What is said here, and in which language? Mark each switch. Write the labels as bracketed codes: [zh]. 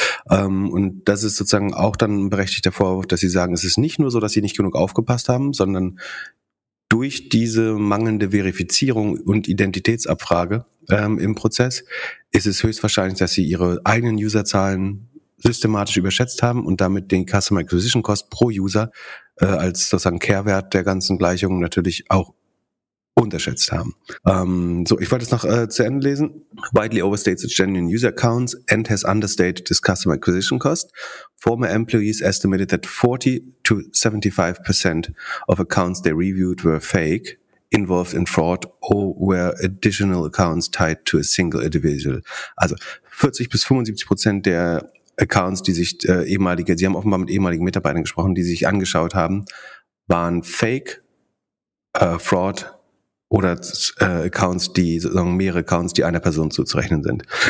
[de] Und das ist sozusagen auch dann ein berechtigter Vorwurf, dass sie sagen, es ist nicht nur so, dass sie nicht genug aufgepasst haben, sondern durch diese mangelnde Verifizierung und Identitätsabfrage im Prozess ist es höchstwahrscheinlich, dass sie ihre eigenen Userzahlen systematisch überschätzt haben und damit den Customer Acquisition Cost pro User als sozusagen Kehrwert der ganzen Gleichung natürlich auch unterschätzt haben. So, ich wollte es noch zu Ende lesen. [en] Widely overstates its genuine user accounts and has understated its customer acquisition cost. Former employees estimated that 40-75% of accounts they reviewed were fake, involved in fraud or were additional accounts tied to a single individual. [de] Also 40-75% der Accounts, die sich sie haben offenbar mit ehemaligen Mitarbeitern gesprochen, die sich angeschaut haben, waren Fake, Fraud oder Accounts, die sozusagen mehrere Accounts, die einer Person zuzurechnen sind.